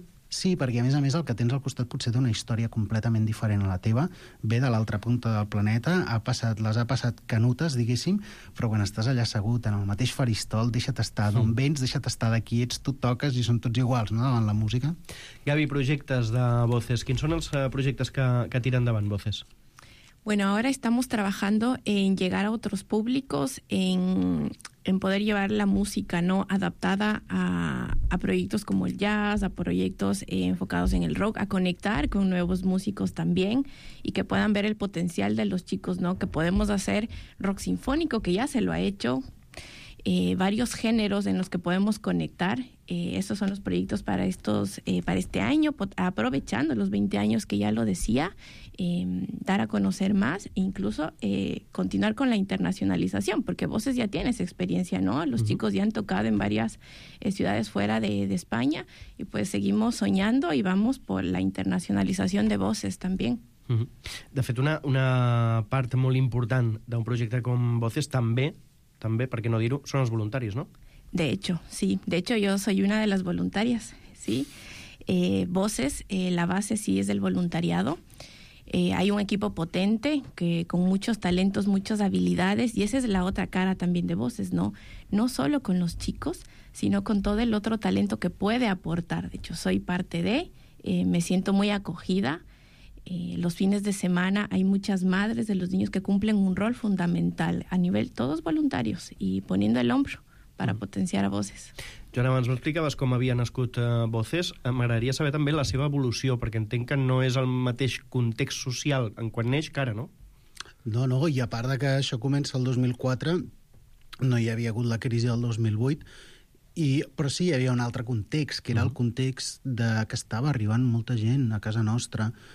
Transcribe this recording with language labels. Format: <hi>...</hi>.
<ca>Sí, perquè a més el que tens al costat potser té una història completament diferent a la teva, ve de l'altra punta del planeta, les ha passat canutes, diguéssim, però quan estàs allà assegut en el mateix faristol, deixa't estar d'on vens, deixa't estar d'aquí, ets, tu toques i són tots iguals, no?, davant la música. Gavi, projectes de Voces, quins són els projectes que tiren davant Voces?</ca> <es>Bueno, ahora estamos trabajando en llegar a otros públicos, en poder llevar la música, ¿no?, adaptada a proyectos como el jazz, a proyectos enfocados en el rock, a conectar con nuevos músicos también y que puedan ver el potencial de los chicos, ¿no?, que podemos hacer rock sinfónico, que ya se lo ha hecho, varios géneros en los que podemos conectar. Esos son los proyectos para este año, aprovechando los 20 años que ya lo decía, dar a conocer más e incluso continuar con la internacionalización, porque Voces ya tiene esa experiencia, ¿no? Los chicos ya han tocado en varias ciudades fuera de España y pues seguimos soñando y vamos por la internacionalización de Voces también.</es> <ca>De fet, una part molt important d'un projecte com Voces també, per què no dir-ho, són els voluntaris, no?</ca> <es>De hecho, sí. De hecho, yo soy una de las voluntarias, ¿sí? Voces, la base sí es del voluntariado. Hay un equipo potente que con muchos talentos, muchas habilidades, y esa es la otra cara también de Voces, ¿no? No solo con los chicos, sino con todo el otro talento que puede aportar. De hecho, soy parte de, me siento muy acogida. Los fines de semana hay muchas madres de los niños que cumplen un rol fundamental a nivel, todos voluntarios, y poniendo el hombro para potenciar a Voces.</es> <ca>Joan, abans m'explicaves com havia nascut Voces. M'agradaria saber també la seva evolució, perquè entenc que no és el mateix context social en quan neix que ara, no? No, no, i a part de que això comença el 2004, no hi havia hagut la crisi del 2008, i, però sí, hi havia un altre context, que era el context de que estava arribant molta gent a casa nostra.</ca>